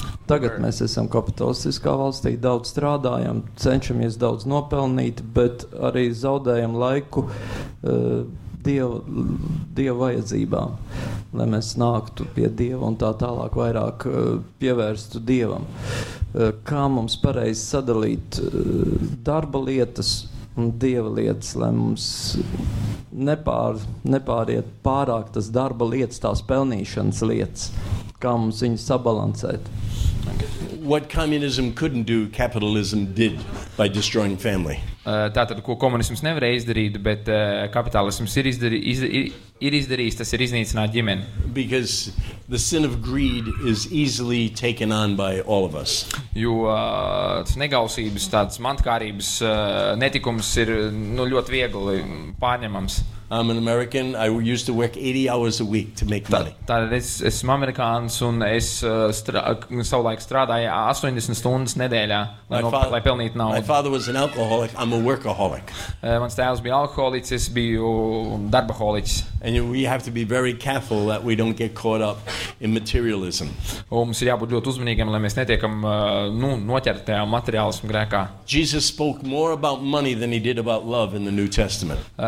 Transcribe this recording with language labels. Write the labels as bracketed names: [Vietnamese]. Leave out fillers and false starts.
[Latvian] Tagad mēs esam kapitalistiskā valstī, daudz strādājam, cenšamies daudz nopelnīt, bet arī zaudējam laiku Dieva vajadzībām, lai mēs nāktu pie Dieva un tā tālāk vairāk pievērstu Dievam. Kā mums pareizi sadalīt darba lietas un Dieva lietas, lai mums nepāriet pārāk tas darba lietas, tās pelnīšanas lietas, kā mums viņas sabalansēt? [English] What communism couldn't do, capitalism did by destroying family. [Latvian] Tātad, ko komunisms nevarēja izdarīt, bet kapitālisms ir izdarījis, tas ir iznīcināt ģimeni. [English] Because the sin of greed is easily taken on by all of us. [Latvian] Jo tas negausības, tāds mantkārības netikums ir ļoti viegli pārņemams. [English] I'm an American. I used to work 80 hours a week to make money. [Latvian] Tātad esmu amerikāns un es savu laiku strādāju 80 stundas nedēļā, lai pelnītu naudu. [English] My father was an alcoholic. I'm a workaholic. [Latvian] Mans tēvs bija alkoholiķis, es biju darboholiķis. [English] And we have to be very careful that we don't get caught up in materialism. [Latvian] Mums ir jābūt ļoti uzmanīgiem, lai mēs netiekam noķert tajā materiālismu grēkā. [English] Jesus spoke more about money than he did about love in the New Testament.